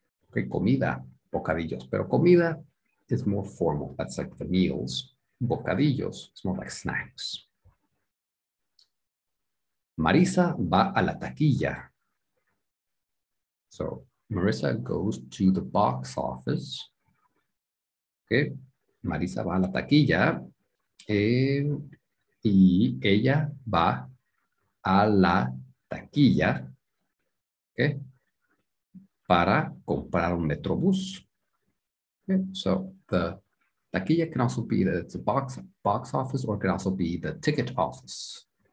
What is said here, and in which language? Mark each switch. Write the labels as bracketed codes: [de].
[en] Okay, comida, bocadillos. Pero comida is more formal. That's like the meals. Bocadillos, it's more like snacks. [es] Marisa va a la taquilla. [en] So, Marisa goes to the box office. Okay, [es] Marisa va a la taquilla y ella va a la taquilla, ¿okay? Para comprar un metrobús. ¿Okay? [en] So, the taquilla can also be the box office or can also be the ticket office.